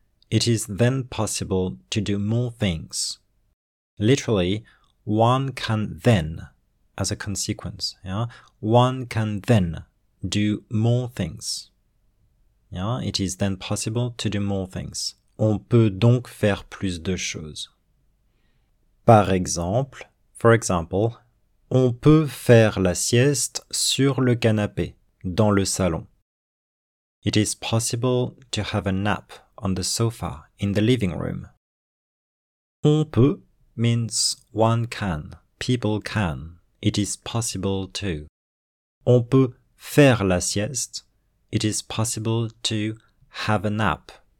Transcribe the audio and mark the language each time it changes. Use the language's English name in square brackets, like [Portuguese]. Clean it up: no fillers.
[English] It is then possible to do more things. Literally, one can then, as a consequence, yeah, one can then do more things. Yeah, it is then possible to do more things. [French] On peut donc faire plus de choses. Par exemple, [English] for example, [French] on peut faire la sieste sur le canapé, dans le salon. [English] It is possible to have a nap on the sofa in the living room. [French] On peut [English] means one can, people can. It is possible to. [French] On peut faire la sieste. [English] It is possible to have a nap.